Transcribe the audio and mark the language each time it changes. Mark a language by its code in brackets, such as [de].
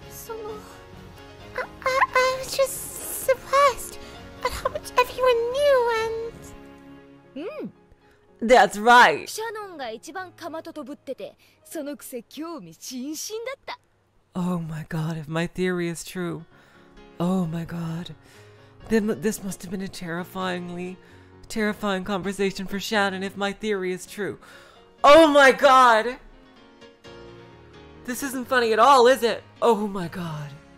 [en] I was just surprised at how much everyone knew and... That's right! [ja] シャノンが一番かまととぶってて、その癖興味津々だった! [en] Oh my god, if my theory is true... Oh my god... Then this must have been a terrifying conversation for Shannon if my theory is true. Oh my god! This isn't funny at all, is it? Oh my god.